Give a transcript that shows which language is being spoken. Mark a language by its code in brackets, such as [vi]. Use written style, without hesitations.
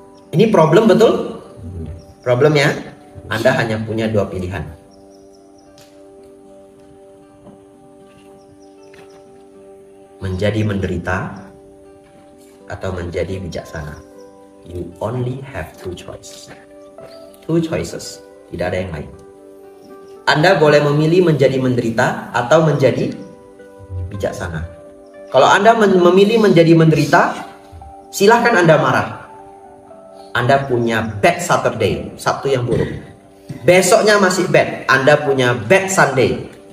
[id] Ini problem, betul? Problem ya. Anda hanya punya dua pilihan. Menjadi menderita atau menjadi bijaksana. [en] You only have two choices. Two choices. [id] Tidak ada yang lain. Anda boleh memilih menjadi menderita atau menjadi bijaksana. Kalau Anda memilih menjadi menderita, silakan Anda marah. Anda punya [en] bad Saturday, [id] Sabtu yang buruk. Besoknya masih bad, Anda punya [en] bad Sunday.